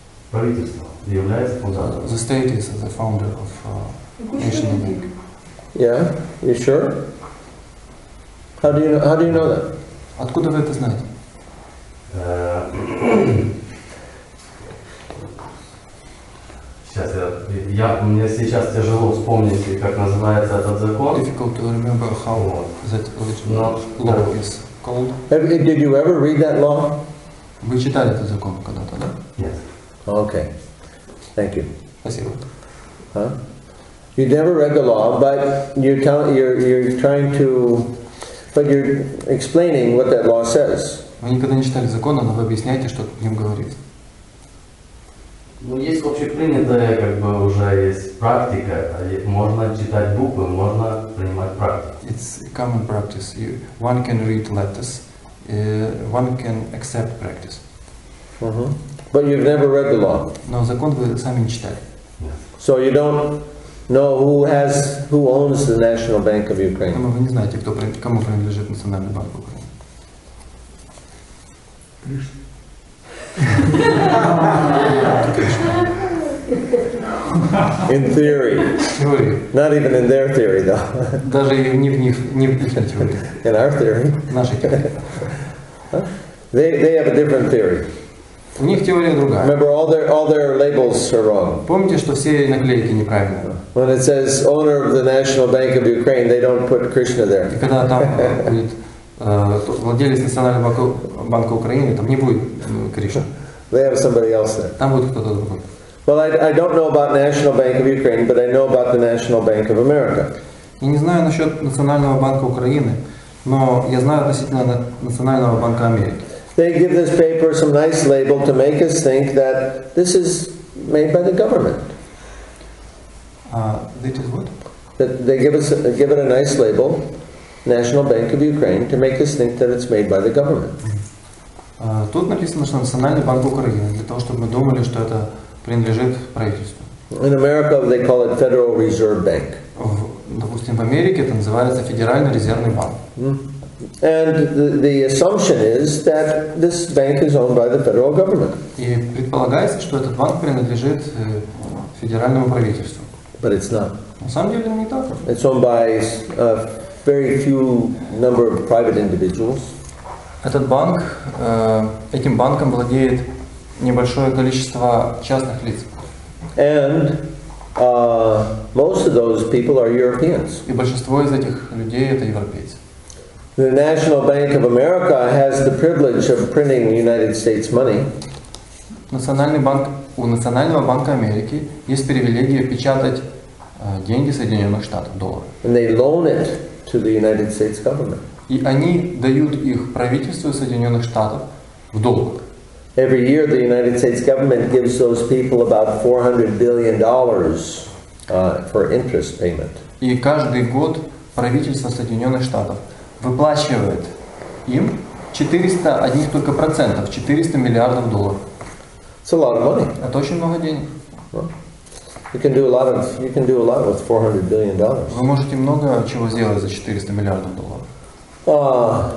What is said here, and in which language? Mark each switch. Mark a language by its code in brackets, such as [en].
[ru] Правительство является фундатором. [en] The state is the founder of National Bank. Yeah, you sure? How do you know that? [ru] Откуда вы это знаете? Сейчас мне сейчас тяжело вспомнить, как называется этот закон. [en] Difficult to remember how that original law is called. Did you ever read that law? [ru] Вы читали этот закон когда-то, да? [en] Yes. Okay. Thank you. [ru] Спасибо. [en] You never read the law, but you're explaining what that law says. [ru] Вы никогда не читали закон, но вы объясняете, что в нем говорится. Ну, есть общепринятая, как бы уже есть практика. Можно читать буквы, можно принимать практику. [en] It's common practice. One can read letters. One can accept practice. Uh-huh. But you've never read the law. [ru] Но закон вы сами не читали. [en] Yes. So you don't know who owns the National Bank of Ukraine. [ru] Но вы не знаете, кому принадлежит Национальный банк Украины. [en] In theory. Not even in their theory, though. [ru] Даже не в их [en] In our theory. [ru] Наша теория. [en] They have a different theory. [ru] У них теория другая. [en] Remember, all their labels are wrong. [ru] Помните, что все наклейки неправильные. [en] When it says owner of the National Bank of Ukraine, they don't put Krishna there. [ru] Когда там будет владелец Национального банка Украины, там не будет Кришна. [en] They have somebody else there. [ru] Там будет кто-то другой. [en] Well, I don't know about National Bank of Ukraine, but I know about the National Bank of America. [ru] Я не знаю насчет Национального банка Украины, но я знаю относительно Национального банка Америки. [en] They give this paper some nice label to make us think that this is made by the government. This is what? That they give it a nice label. National Bank of Ukraine to make us think that it's made by the government. [ru] Тут написано, что Национальный банк Украины для того, чтобы мы думали, что это принадлежит правительству. [en] In America, they call it Federal Reserve Bank. [ru] Допустим, в Америке это называется Федеральный резервный банк. [en] And the assumption is that this bank is owned by the federal government. [ru] И предполагается, что этот банк принадлежит федеральному правительству. [en] But it's not. [ru] На самом деле, не так. [en] It's owned by very few number of private individuals. [ru] Этот банк, этим банком владеет небольшое количество частных лиц. [en] And most of those people are Europeans. [ru] И большинство из этих людей это европейцы. [en] The National Bank of America has the privilege of printing United States money. [ru] У Национального банка Америки есть привилегия печатать деньги Соединенных Штатов, доллары. [en] And they loan it to the United States government. [ru] И они дают их правительству Соединенных Штатов в долг. [en] Every year the United States government gives those people about $400 billion for interest payment. [ru] И каждый год правительство Соединенных Штатов выплачивает им 400 одних только процентов, 400 миллиардов долларов. [en] It's a lot of money. [ru] Это очень много денег. [en] You can do a lot with $400 billion. [ru] Вы можете много чего сделать за 400 миллиардов долларов.